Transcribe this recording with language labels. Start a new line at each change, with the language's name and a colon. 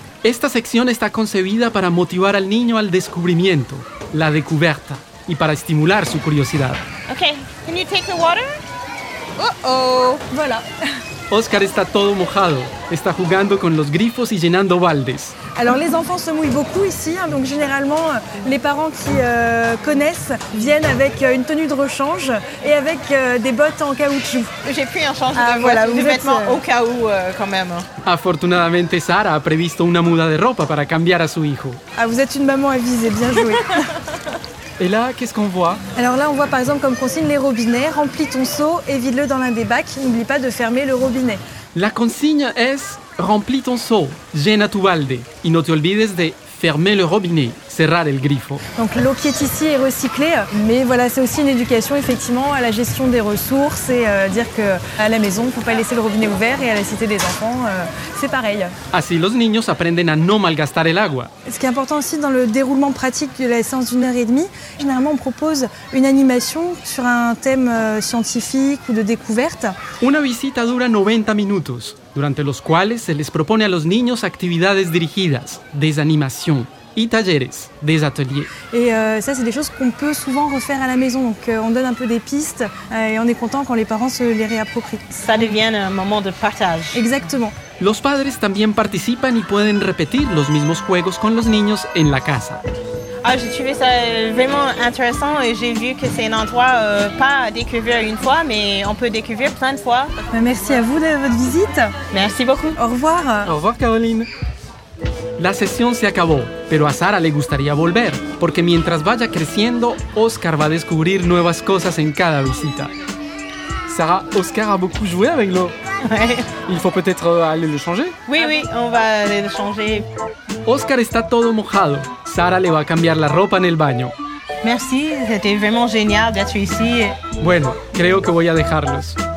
Spanish: Esta sección está concebida para motivar al niño al descubrimiento,
French: la découverte,
Spanish: y para estimular su curiosidad.
English: Ok, can you take the water? Uh-oh!
French: Voilà.
Spanish: Oscar está todo mojado, está jugando con los grifos y llenando baldes.
French: Alors les enfants se mouillent beaucoup ici, hein, donc généralement les parents qui connaissent viennent avec une tenue de rechange et avec des bottes en caoutchouc. J'ai pris un change de vêtements au cas où quand même.
Spanish: Afortunadamente Sara a previsto una muda de ropa para cambiar a su hijo.
French: Ah, vous êtes une maman avisée, bien joué. Et là, qu'est-ce qu'on voit? Alors là, on voit par exemple comme consigne les robinets. Remplis ton seau et vide-le dans l'un des bacs. N'oublie pas de fermer le robinet. La consigne est remplis ton seau,
Spanish: llena tu balde. Y no te olvides de
French: fermer le robinet,
Spanish: cerrar el grifo.
French: Donc l'eau qui est ici est recyclée. Mais voilà, c'est aussi une éducation effectivement à la gestion des ressources et dire qu'à la maison, il ne faut pas laisser le robinet ouvert et à la cité des enfants, c'est pareil.
Spanish: Así los niños aprenden a no malgastar el agua.
French: Ce qui est important aussi dans le déroulement pratique de la séance d'une heure et demie, généralement on propose une animation sur un thème scientifique ou de découverte.
Spanish: Una visita dura 90 minutos, durante los cuales se les propone a los niños actividades dirigidas,
French: des animations
Spanish: y talleres,
French: des ateliers. Et ça, c'est des choses qu'on peut souvent refaire à la maison. Donc on donne un peu des pistes et on est content quand les parents se les réapproprient. Ça devient un moment de partage. Exactement.
Spanish: Los padres también participan y pueden repetir los mismos juegos con los niños en la casa.
French: Ah, j'ai trouvé ça vraiment intéressant et j'ai vu que c'est un endroit pas à découvrir une fois, mais on peut découvrir plein de fois. Merci à vous de votre visite. Merci beaucoup. Au revoir. Au revoir, Caroline.
Spanish: La sesión se acabó, pero a Sara le gustaría volver, porque mientras vaya creciendo, Oscar va a descubrir nuevas cosas en cada visita.
French: Sara, Oscar a beaucoup joué avec l'eau. Ouais. Il faut peut-être aller le changer. Oui, oui, on va aller le changer.
Spanish: Oscar está todo mojado. Sara le va a cambiar la ropa en el baño.
French: Merci, c'était vraiment génial d'être ici.
Spanish: Bueno, creo que voy a dejarlos.